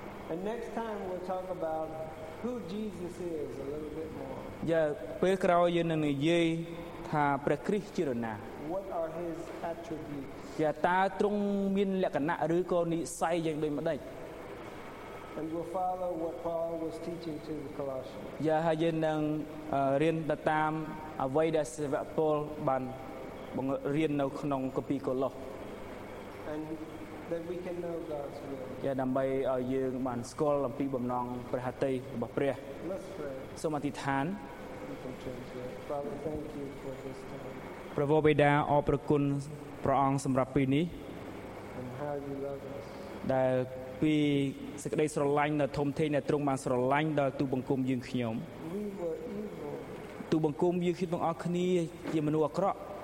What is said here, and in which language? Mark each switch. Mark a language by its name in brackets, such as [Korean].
[English] And next time we'll talk about who Jesus is a little bit more. [Khmer] យើងពេលក្រោយយើងនឹងនិយាយថាព្រះគ្រីស្ទជារណា [English] What are his attributes? [Khmer] ជាតើទ្រង់មានលក្ខណៈឬក៏និស្ស័យយ៉ាងដូចម្ដេច [English] And we'll follow what Paul was teaching to the Colossians. [Khmer] Yeah, ហើយយើងនឹងរៀនតាមតាមអ្វីដែលសាវកពលបានបង្រៀននៅក្នុងគម្ពីរកូឡូស [English] And that we can know God's will. [Khmer] Yeah, ដើម្បីឲ្យយើងបានស្គាល់អំពីបំណងព្រះហឫទ័យរបស់ព្រះ [English] Let's pray. [Khmer] សូមអធិដ្ឋាន [English] Father, thank you for this time. [Khmer] ព្រះវរបិតាអរព្រគុណព្រះអង្គសម្រាប់ពេលនេះ [English] And how you love us. [Khmer] ដែលពីសេចក្តីស្រឡាញ់ដ៏ធំធេងដែលទ្រង់បានស្រឡាញ់ដល់ទូបង្គំយើងខ្ញុំទូបង្គំយើងខ្ញុំទាំងអស់គ្នាជាមនុស្សអាក្រក់